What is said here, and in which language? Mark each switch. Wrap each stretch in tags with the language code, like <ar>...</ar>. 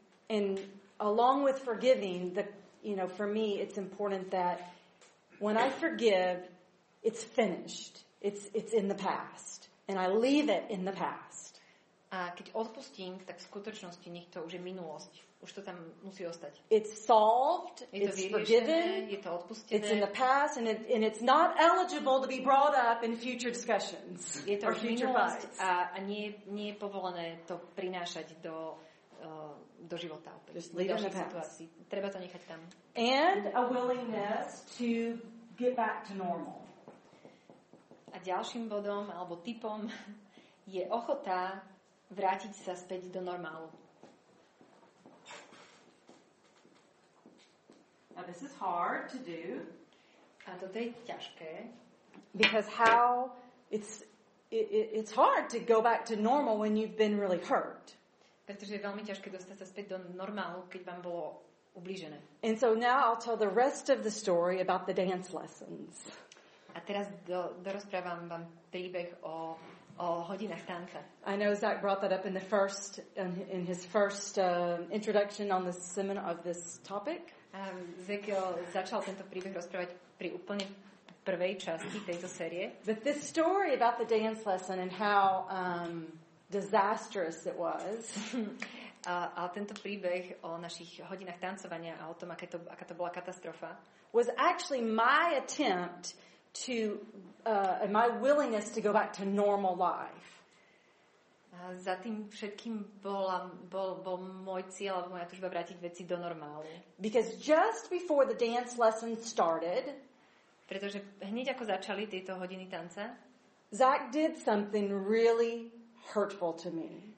<en>And along with forgiving, the, you know, for me it's important that when I forgive, it's finished. It's in the past. And I leave it in the past.</en> <sk>A keď odpustím, tak v skutočnosti nech to už je minulosť. Už to tam musí ostať.</sk> <en>It's solved, it's forgiven,</en> <sk>je to odpustené.</sk> <en>It's in the past, and it's not eligible to be brought up in future discussions.</en> <sk>Je to</sk> <en>or future fights.</en> <sk>A nie je povolené to prinášať do života opäť.</sk> <en>Just leave it in the past.</en> <sk>Treba to nechať tam.</sk> <en>And a willingness to get back to normal.</en> <sk>A ďalším bodom, alebo tipom, je ochota vrátiť sa späť do normálu.</sk> <en>Now this is hard to do.</en> <sk>A toto je ťažké.</sk> <en>Because how it's hard to go back to normal when you've been really hurt.</en> <sk>Pretože je veľmi ťažké dostať sa späť do normálu, keď vám bolo ublížené.</sk> <en>And so now I'll tell the rest of the story about the dance lessons.</en> <sk>A teraz dorozprávam vám príbeh o hodinách tanca.</sk> <en>I know Zach brought that up in his first introduction on the seminar of this topic.</en> <sk>Zekiel začal tento príbeh rozprávať pri úplne prvej časti tejto série.</sk> <en>But this story about the dance lesson and how disastrous it was.</en> <sk>A tento príbeh o našich hodinách tancovania a o tom, aká to bola katastrofa.</sk> <en>Was actually my attempt to my willingness to go back to normal life.</en> <sk>Za tým všetkým bol môj cieľ, moja túžba vrátiť veci do normálu.</sk> <en>Because just before the dance lesson started,</en> <sk>pretože hneď ako začali tieto hodiny tanca,</sk> <en>Zach did something really hurtful to me.</en>